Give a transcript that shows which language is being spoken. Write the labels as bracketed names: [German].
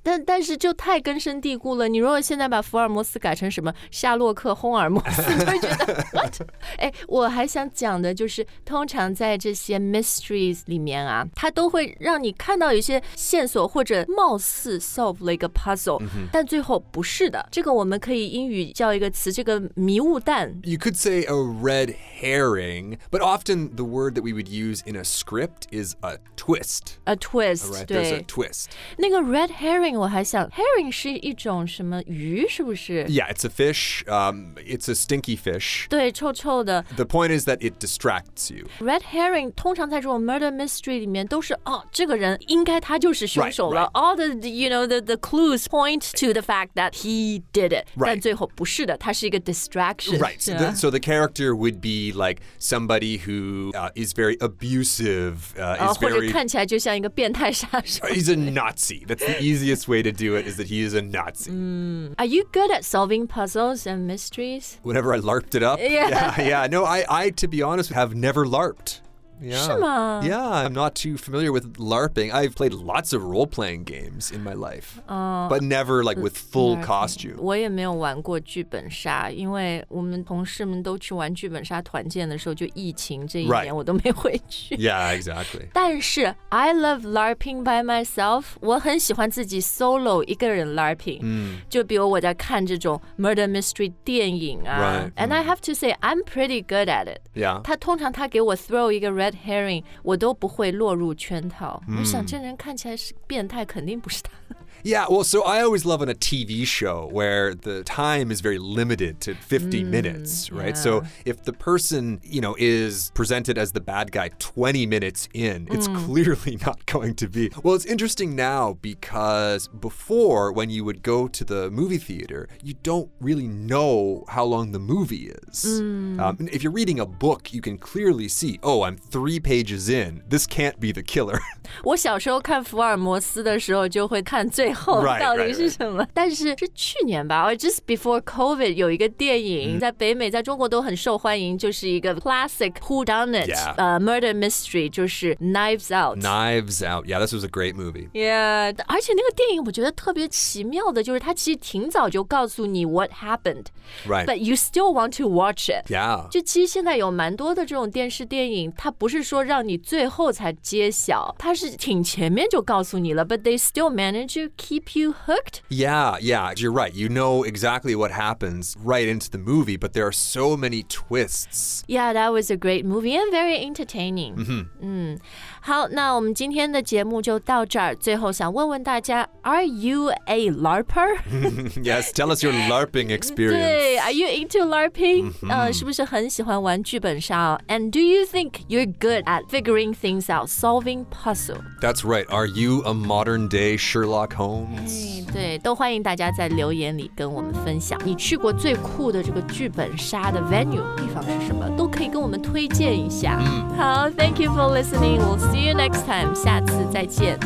[Chinese] 但是就太根深蒂固了。你如果现在把福尔摩斯改成什么夏洛克·轰尔摩斯，你会觉得 [English] What? [Chinese] 哎，我还想讲的就是，通常在这些 mysteries 里面啊，它都会让你看到有些线索或者冒。貌似 solve 了一个 puzzle, 但最后不是的。这个我们可以英语叫一个词，这个迷雾弹。 [English] You could say a red herring, but often the word that we would use in a script is a twist. A twist, right, 对。 There's a twist. [Chinese] 那个 red herring, 我还想 herring 是一种什么鱼，是不是？ [English] Yeah, it's a fish. It's a stinky fish. [Chinese] 对，臭臭的。 [English] The point is that it distracts you. [Chinese] Red herring 通常在这种 murder mystery 里面都是哦，这个人应该他就是凶手了。 [English] Right, right. The clues point to the fact that he did it. Right. [Chinese] 但最后不是的，他是一个 distraction. [English] Right. So, yeah. So the character would be like somebody who is very abusive. [Chinese] Or 看起来就像一个变态杀手。 [English] He's a Nazi. That's the easiest way to do it is that he is a Nazi. Are you good at solving puzzles and mysteries? Whenever I LARPed it up? Yeah. No, I, to be honest, have never LARPed. Yeah. [Chinese] 是吗? [English] Yeah, I'm not too familiar with LARPing. I've played lots of role-playing games in my life, but never like with full costume. [Chinese] 我也没有玩过剧本杀，因为我们同事们都去玩剧本杀团建的时候，就疫情这一年、 [English] right. [Chinese] 我都没回去。 [English] Yeah, exactly. [Chinese] 但是 [English] I love LARPing by myself. [Chinese] 我很喜欢自己 solo 一个人 LARPing. 就比如我在看这种 murder mystery 电影啊。 [English] Right. And I have to say, I'm pretty good at it. Yeah. [Chinese] 他给我 throw 一个red herring, 我都不会落入圈套。我想这人看起来是变态，肯定不是他。 [English] Yeah, well, so I always love on a TV show where the time is very limited to 50 minutes, right? So if the person, you know, is presented as the bad guy 20 minutes in, it's clearly not going to be. Well, it's interesting now because before, when you would go to the movie theater, you don't really know how long the movie is. If you're reading a book, you can clearly see, oh, I'm 3 pages in. This can't be the killer. [Chinese] 我小时候看福尔摩斯的时候就会看最最后到底是什么 [English] right. [Chinese] 但是去年吧 [English] or just before COVID [Chinese] 有一个电影在北美在中国都很受欢迎就是一个 [English] classic whodunit、 yeah. [Chinese] Murder mystery 就是 Knives Out [English] Yeah, this was a great movie [Chinese] Yeah, 而且那个电影我觉得特别奇妙的就是它其实挺早就告诉你 [English] what happened Right But you still want to watch it Yeah [Chinese] 就其实现在有蛮多的这种电视电影它不是说让你最后才揭晓它是挺前面就告诉你了 [English] But they still manage to keep you hooked? Yeah, you're right. You know exactly what happens right into the movie, but there are so many twists. Yeah, that was a great movie and very entertaining. [Chinese] 好，那我们今天的节目就到这儿。最后想问问大家 ， [English] Are you a LARPer? Yes, tell us your LARPing experience. 对 ，Are you into LARPing? [Chinese] 是不是很喜欢玩剧本杀、哦、？ [English] And do you think you're good at figuring things out, solving puzzles? That's right. Are you a modern day Sherlock Holmes? [Chinese] 对，都欢迎大家在留言里跟我们分享你去过最酷的这个剧本杀的 venue 地方是什么，都可以跟我们推荐一下。 [English] 好 ，Thank you for listening. We'll see you next time. [Chinese] 下次再见。